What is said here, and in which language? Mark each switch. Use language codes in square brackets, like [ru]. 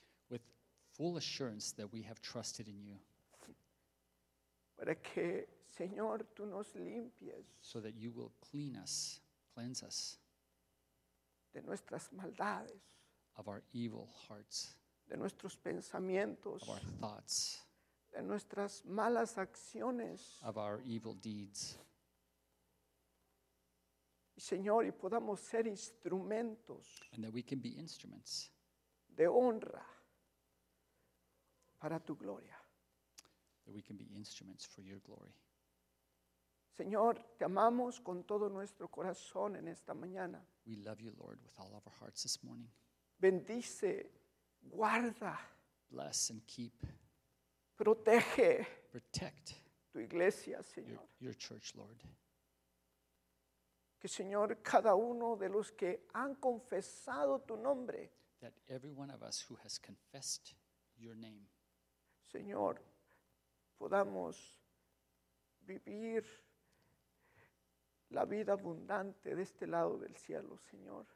[en] With full assurance that we have trusted in you. [es] Para que, Señor, tú nos limpies. [en] So that you will clean us, cleanse us. [es] De nuestras maldades. [en] Of our evil hearts. [es] De nuestros pensamientos. [en] Of our thoughts. [es] De nuestras malas acciones. [en] Of our evil deeds. [es] Y Señor, y podamos ser instrumentos. [en] And that we can be instruments. [es] De honra. Para tu gloria. [en] That we can be instruments for your glory. [es] Señor, te amamos con todo nuestro corazón en esta mañana. [en] We love you, Lord, with all of our hearts this morning. [es] Bendice. Guarda. [en] Bless and keep. [es] Protege. [en] Protect. [es] Tu iglesia, Señor. [en] Your church, Lord. [es] Que, Señor, cada uno de los que han confesado tu nombre. [en] That every one of us who has confessed your name. [es] Señor, podamos vivir la vida abundante de este lado del cielo, Señor.